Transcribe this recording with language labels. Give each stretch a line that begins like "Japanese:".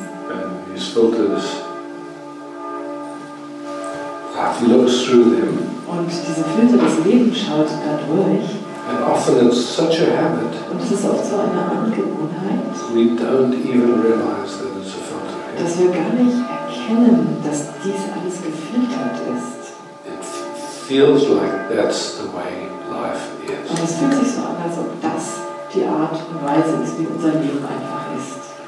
English: And these filters, life looks through them.
German: Und diese Filter, das Leben schaut da durch.
English: And often it's such a habit.
German: Und es ist oft so eine Angewohnheit.
English: We don't even realize that it's a filter.
German: Dass wir gar nicht erkennen, dass dies alles gefiltert ist.
English: It feels like that's the way life is.
German: Und es fühlt sich so an, als ob das die Art und Weise ist, wie unser Leben einfach ist.